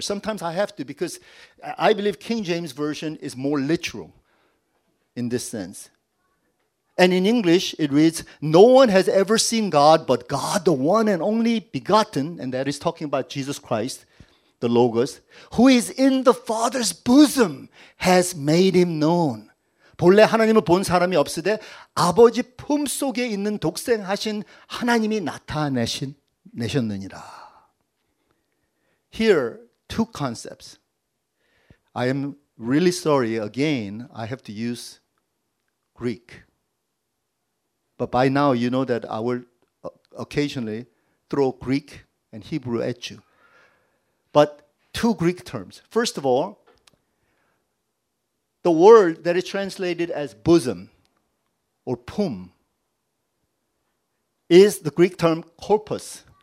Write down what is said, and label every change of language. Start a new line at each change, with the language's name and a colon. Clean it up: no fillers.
English: Sometimes I have to because I believe King James Version is more literal in this sense. And in English, it reads, no one has ever seen God, but God, the one and only begotten, and that is talking about Jesus Christ, the Logos, who is in the Father's bosom, has made him known.
Korean: 본래 하나님을 본 사람이 없으되 아버지 품 속에 있는 독생하신 하나님이 내셨느니라.
English: Here, two concepts. I am really sorry again, I have to use Greek. But by now, you know that I will occasionally throw Greek and Hebrew at you. But two Greek terms. First of all, the word that is translated as bosom or pum is the Greek term corpus.